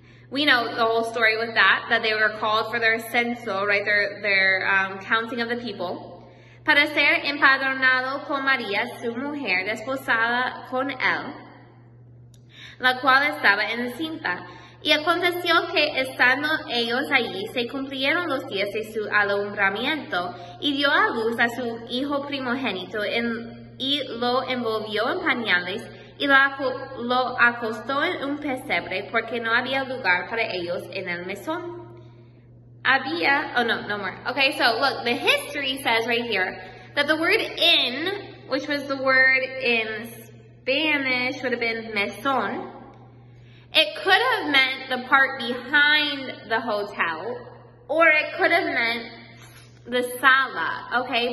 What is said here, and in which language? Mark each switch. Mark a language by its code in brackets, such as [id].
[en] We know the whole story with that they were called for their censo, right, their counting of the people, [es] para ser empadronado con María, su mujer, desposada con él, la cual estaba encinta. Y aconteció que estando ellos allí, se cumplieron los días de su alumbramiento, y dio a luz a su hijo primogénito, y lo envolvió en pañales, y lo acostó en un pesebre, porque no había lugar para ellos en el mesón. [en] Okay, so look, the history says right here, that the word in, which was the word in Spanish, would have been mesón. It could have meant the part behind the hotel, or it could have meant the sala, okay?